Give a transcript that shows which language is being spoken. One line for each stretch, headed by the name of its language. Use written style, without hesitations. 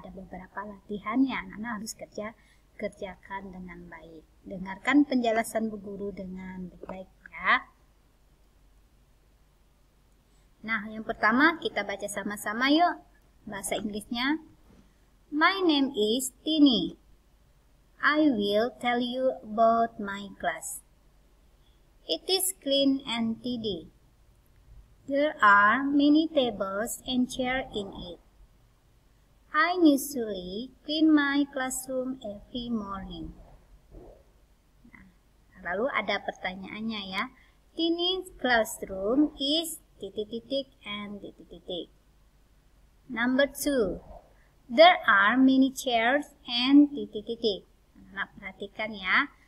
Indonesian: Ada beberapa latihan yang anak-anak harus kerjakan dengan baik. Dengarkan penjelasan Bu Guru dengan baik-baik ya. Nah, yang pertama kita baca sama-sama yuk bahasa Inggrisnya.
English: My name is Tini. I will tell you about my class. It is clean and tidy. There are many tables and chairs in it. I usually clean my classroom every morning.
Indonesian: Nah, lalu ada pertanyaannya ya.
English: Tini's classroom is
Indonesian: titik-titik
English: and titik-titik. Number two. There are many chairs and
Indonesian: titik-titik. Anak-anak perhatikan ya.